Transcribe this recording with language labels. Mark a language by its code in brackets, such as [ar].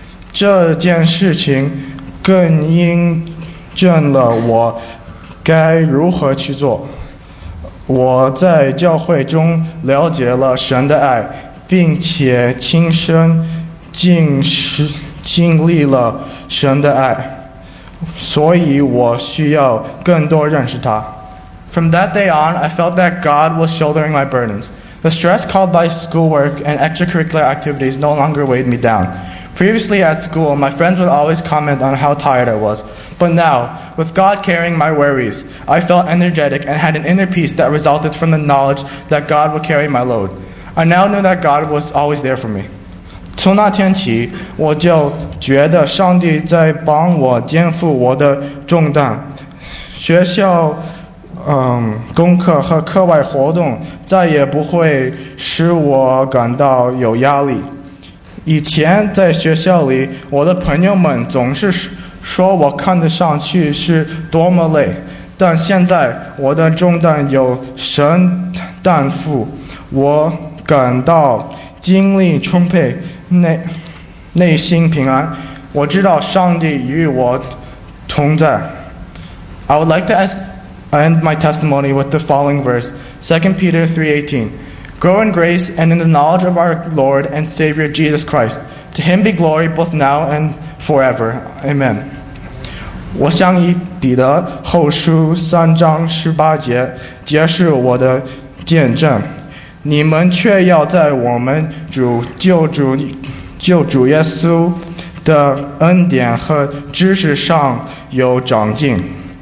[zh] 这件事情更印证了我该如何去做。我在教会中了解了神的爱，并且亲身经历了神的爱，所以我需要更多认识他。 [en] From that day on, I felt that God was shouldering my burdens. The stress caused by schoolwork and extracurricular activities no longer weighed me down. Previously at school, my friends would always comment on how tired I was. But now, with God carrying my worries, I felt energetic and had an inner peace that resulted from the knowledge that God would carry my load. I now knew that God was always there for me. [zh] 从那天起，我就觉得上帝在帮我肩负我的重担。功课和课外活动再也不会使我感到有压力。以前在学校里，我的朋友们总是说我看得上去是多么累，但现在我的重担有神担负，我感到精力充沛，内心平安。我知道上帝与我同在。 [en] I would like to ask. I end my testimony with the following verse, 2 Peter 3:18. Grow in grace and in the knowledge of our Lord and Savior Jesus Christ. To him be glory both now and forever. Amen. [zh] 我想以彼得后书三章十八节结束我的见证。你们却要在我们主救主耶稣的恩典和知识上有长进。